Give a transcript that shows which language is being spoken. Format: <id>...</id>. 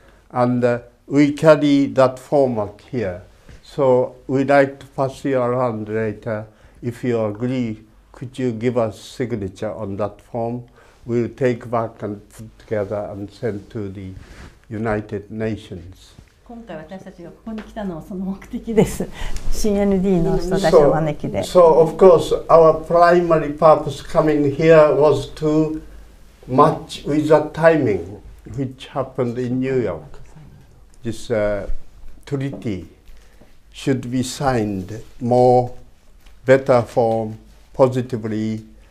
<en>And we carry that format here. So we'd like to pass you around later. If you agree, could you give us signature on that form? We'll take back and put together and send to the United Nations.</en> <ja>今回私たちがここに来たのはその目的です。CND の人たちを招きで。</ja> <en>So of course, our primary purpose coming here was to match with the timing which happened in New York. This treaty should be signed more, better form, positively.</en>